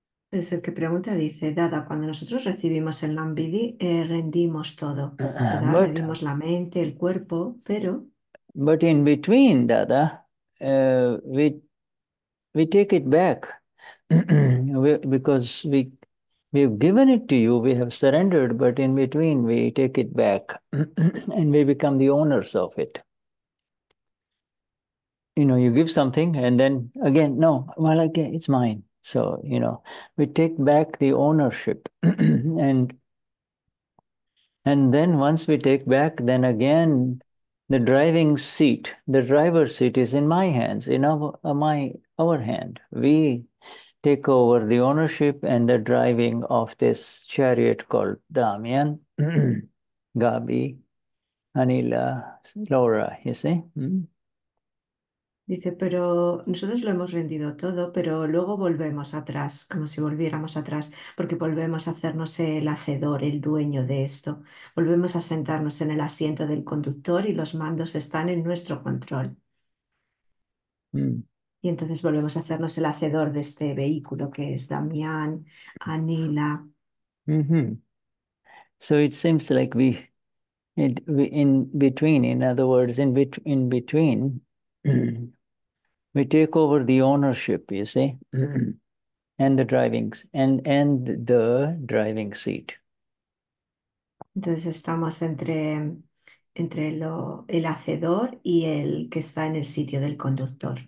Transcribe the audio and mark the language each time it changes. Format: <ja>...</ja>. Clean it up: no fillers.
<es>Es el que pregunta, dice, Dada, cuando nosotros recibimos el Nambidi, rendimos todo, ¿verdad? Rendimos la mente, el cuerpo, pero...</es> <en>But in between, Dada, we take it back because we've given it to you, we have surrendered, but in between we take it back and we become the owners of it. You give something and then again, no, well, again, it's mine. So, we take back the ownership. And then once we take back, then again, the driving seat, the driver's seat is in my hands, in our hand. We take over the ownership and the driving of this chariot called Damien, Gabi, Anila, Laura, you see?</en> <es>Dice, pero nosotros lo hemos rendido todo, pero luego volvemos atrás, como si volviéramos atrás, porque volvemos a hacernos el hacedor, el dueño de esto. Volvemos a sentarnos en el asiento del conductor y los mandos están en nuestro control. Y entonces volvemos a hacernos el hacedor de este vehículo que es Damián, Anila.</es> <en>So it seems like we in between, in other words, in between, we take over the ownership, you see, and the driving and the driving seat.</en> <es>Entonces estamos entre el hacedor y el que está en el sitio del conductor.</es>